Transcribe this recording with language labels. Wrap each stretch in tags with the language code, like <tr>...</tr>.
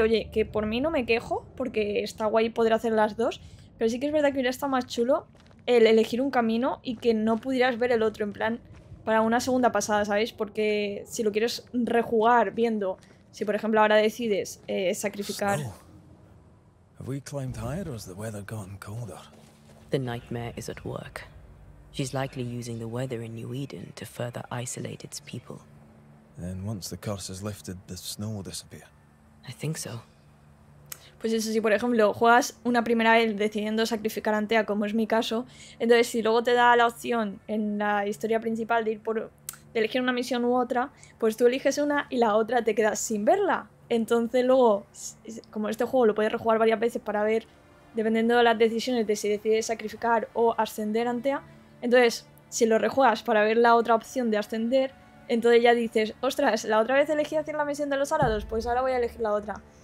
<es>Oye, que por mí no me quejo, porque está guay poder hacer las dos, pero sí que es verdad que hubiera estado más chulo el elegir un camino y que no pudieras ver el otro, en plan, para una segunda pasada, ¿sabéis? Porque si lo quieres rejugar viendo, si por ejemplo ahora decides sacrificar...</es> <en>Have we climbed higher, or has the weather gotten colder? The nightmare is at work. She's likely using the weather in New Eden to further isolate its people. Then once the curse is lifted, the snow will disappear. I think so.</en> <es>Pues eso, si por ejemplo juegas una primera vez decidiendo sacrificar a Antea, como es mi caso, entonces si luego te da la opción en la historia principal de ir por de elegir una misión u otra, pues tú eliges una y la otra te quedas sin verla. Entonces luego, como este juego lo puedes rejugar varias veces para ver, dependiendo de las decisiones de si decides sacrificar o ascender a Antea, entonces si lo rejuegas para ver la otra opción de ascender, entonces ya dices, ostras, la otra vez elegí hacer la misión de los árados, pues ahora voy a elegir la otra.</es>